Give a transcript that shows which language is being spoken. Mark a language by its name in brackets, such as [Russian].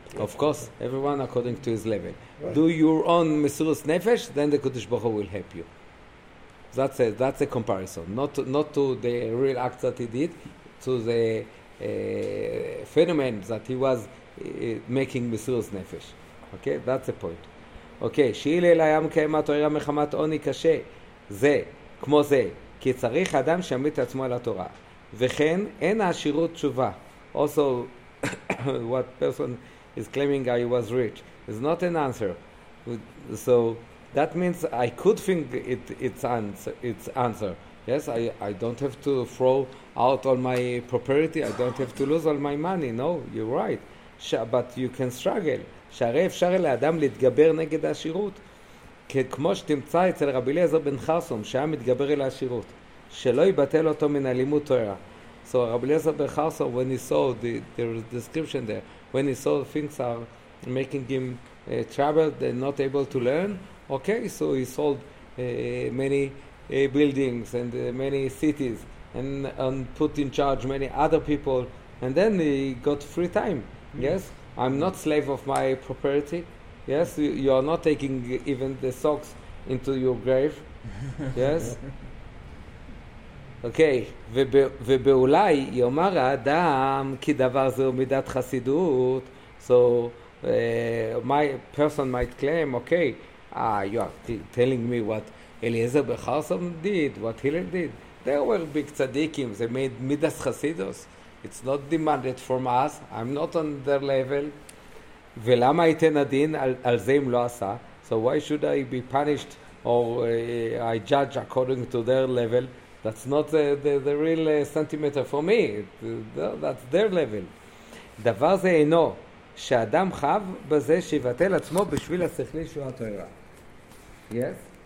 [English] Of course, everyone according to his level. Right. Do your own mesirus nefesh, then the Kodesh Baruch Hu will help you. That's a comparison, not to the real act that he did, to the phenomenon that he was making mesirus nefesh. Okay, that's the point. [Hebrew] Okay, שהילל היה מקיים התורה מחמת עוני קשה, זה, כמו זה, כי צריך אדם שעמית עצמו על התורה, וכן אין העשירות תשובה. [English] Also, what person is claiming I was rich is not an answer. So, that means I could think it's answer. Yes, I don't have to throw out all my property. I don't have to lose all my money. No, you're right. But you can struggle. [Hebrew] שהרי אפשר לאדם להתגבר נגד העשירות. כמו שתמצא אצל רבי אליעזר בן חרסום, שהיה מתגבר אל העשירות. שלא יבטל אותו מן הלימוד תורה. [English] So רבי אליעזר בן חרסום, when he saw the description there, when he saw things are making him troubled and not able to learn, okay, so he sold many buildings and many cities and put in charge many other people, and then he got free time. Yes, I'm not slave of my property. Yes, you are not taking even the socks into your grave. Yes. [Hebrew] אוקיי, ובאולי יאמר האדם כי דבר זה הוא מידת חסידות. [English] So my person might claim, okay, you are telling me what Eliezer Becharsom did, what Hillel did. There were big tzaddikim, they made midas chasidus. It's not demanded from us. I'm not on their level. [Hebrew] ולמה ייתן הדין על זה אם לא עשה? [English] So why should I be punished or I judge according to their level? That's not the real centimeter for me. That's their level. [Hebrew] דבר זה אינו שאדם חב בזה שיבטל עצמו בשביל השכלי שהוא התוארה. Yes?